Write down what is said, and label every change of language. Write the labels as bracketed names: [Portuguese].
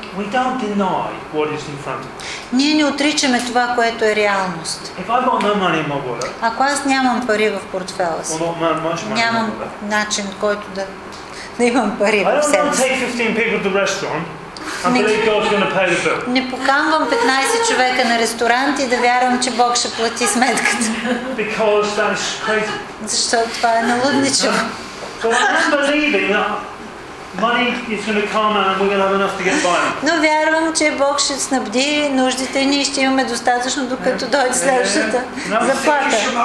[English] we don't deny what is in front of us. [Bulgarian] Ние не отричаме това, което е реалност. [English] If I've got no money in my wallet, [Bulgarian] ако аз нямам пари в портфела си, нямам начин, който да, да имам пари в себе си. [English] I don't take 15 people to the restaurant. [Bulgarian] Не поканвам 15 човека на ресторант и да вярвам, че Бог ще плати сметката. [English] Because that is crazy. [Bulgarian] Защото това е налудничаво. [English] So I'm believing that money is going to come and we're going to have enough to get by. [Bulgarian] Но вярвам, че Бог ще снабди нуждите ни и ще имаме достатъчно, докато дойде следващата заплата.